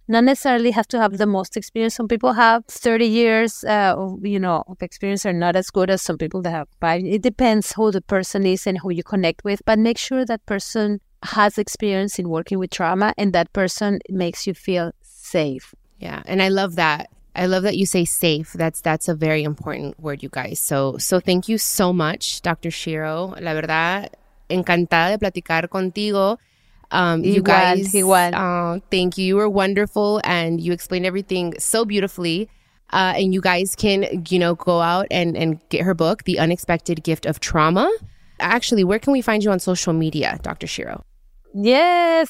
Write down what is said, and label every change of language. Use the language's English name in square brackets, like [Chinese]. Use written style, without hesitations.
[English] Not necessarily have to have the most experience. Some people have 30 years of experience are not as good as some people that have 5. It depends who the person is and who you connect with. But make sure that person has experience in working with trauma and that person makes you feel safe. Yeah. And I love that. I love that you say safe. That's a very important word, you guys. So thank you so much, Dr. Shiro. [Spanish] La verdad, encantada de platicar contigo. [English] Thank you. You were wonderful and you explained everything so beautifully. And you guys can, you know, go out and get her book, The Unexpected Gift of Trauma. Actually, where can we find you on social media, Dr. Shiro? Yes.